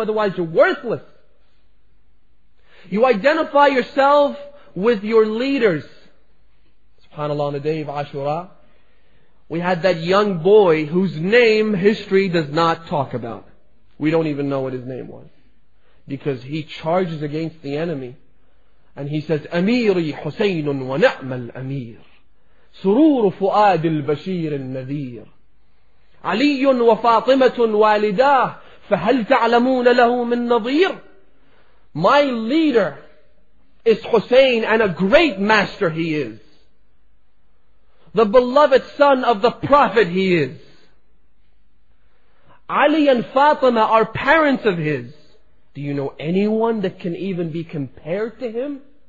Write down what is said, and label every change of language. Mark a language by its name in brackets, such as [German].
[English] Otherwise, you're worthless. You identify yourself with your leaders. SubhanAllah, on the day of Ashura, we had that young boy whose name history does not talk about. We don't even know what his name was. Because he charges against the enemy. And he says, [Arabic] Amiri Husaynun wa na'mal amir. سرور فؤاد البشير النذير علي وفاطمة والداه فهل تعلمون له من نظير. [English] My leader is Hussein, and a great master he is. The beloved son of the Prophet he is. Ali and Fatima are parents of his. Do you know anyone that can even be compared to him?